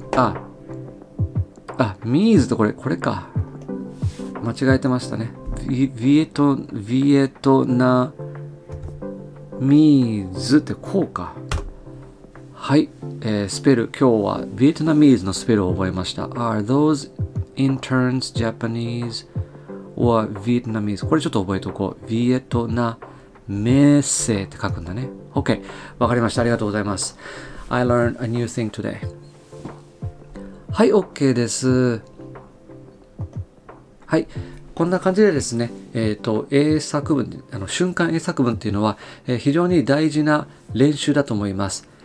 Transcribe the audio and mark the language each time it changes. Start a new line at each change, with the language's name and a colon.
Japanese: あ、means とこれか。間違えてましたね。ビエトナミーズってこうか。はい、スペル、今日はビエトナミーズのスペルを覚えました。
English: Are those interns Japanese or Vietnamese?
Japanese: これちょっと覚えておこう。ビエトナメッセって書くんだね。 OK、 わかりました。ありがとうございます。
English: I learned a new thing today。
Japanese: はい、 OK です。はい、こんな感じでですね、英作文、瞬間英作文っていうのは、非常に大事な練習だと思います。